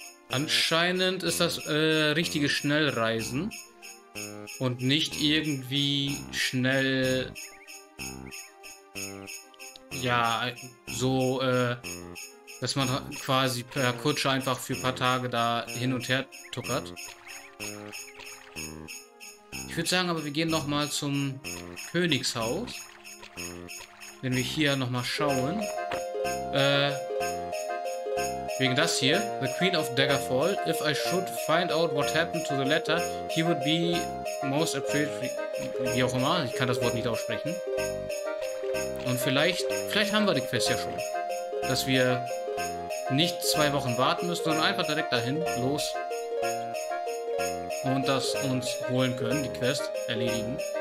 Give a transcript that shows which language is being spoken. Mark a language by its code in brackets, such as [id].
[de] Anscheinend ist das richtige Schnellreisen und nicht irgendwie schnell, ja, so, dass man quasi per Kutsche einfach für ein paar Tage da hin und her tuckert. Ich würde sagen, aber wir gehen nochmal zum Königshaus, wenn wir hier nochmal schauen. Wegen das hier, [en] the Queen of Daggerfall. If I should find out what happened to the letter, he would be most appreciated. [de] Wie auch immer, ich kann das Wort nicht aussprechen. Und vielleicht haben wir die Quest ja schon, dass wir nicht 2 Wochen warten müssen, sondern einfach direkt dahin los und das uns holen können, die Quest erledigen.